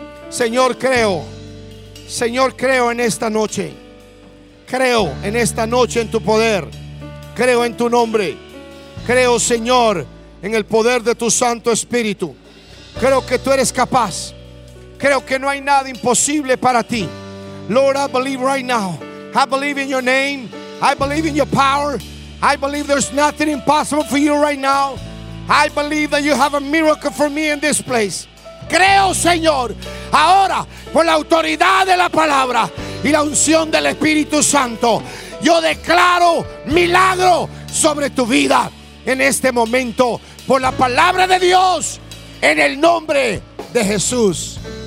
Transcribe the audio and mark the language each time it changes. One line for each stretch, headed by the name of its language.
Spanish: Señor, creo en esta noche. Creo en esta noche en tu poder. Creo en tu nombre. Creo, Señor, en el poder de tu Santo Espíritu. Creo que tú eres capaz. Creo que no hay nada imposible para ti.
English: Lord, I believe right now. I believe in your name. I believe in your power. I believe there's nothing impossible for you right now. I believe that you have a miracle for me in this place.
Spanish: Creo, Señor, ahora por la autoridad de la palabra y la unción del Espíritu Santo. Yo declaro milagro sobre tu vida en este momento por la palabra de Dios en el nombre de Jesús.